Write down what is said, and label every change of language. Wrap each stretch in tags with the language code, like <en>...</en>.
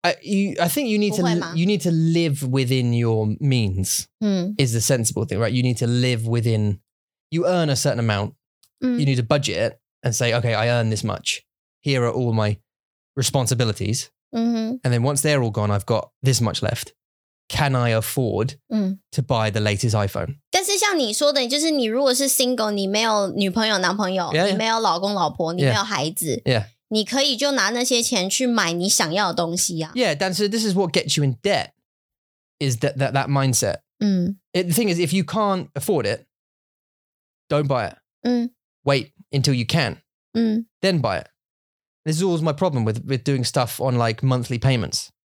<en>I think you need to live within your means, is the sensible thing, right? You need to live within, you earn a certain amount, you need to budget it and say, okay, I earn this much. Here are all my responsibilities. And then once they're all gone, I've got this much left. Can I afford to buy the latest iPhone?</en> <zh>但是像你说的，就是你如果是 single， 你没有女朋友、男朋友，</zh> <en>yeah.</en> <zh>你没有老公、老婆，你没有孩子，</zh> <en>yeah.</en> <zh>你可以就拿那些钱去买你想要的东西啊。</zh> <en>Yeah, 但是 this is what gets you in debt, is that mindset. The thing is, if you can't afford it, don't buy it. Wait until you can. Then buy it. This is always my problem with doing stuff on like monthly payments.</en>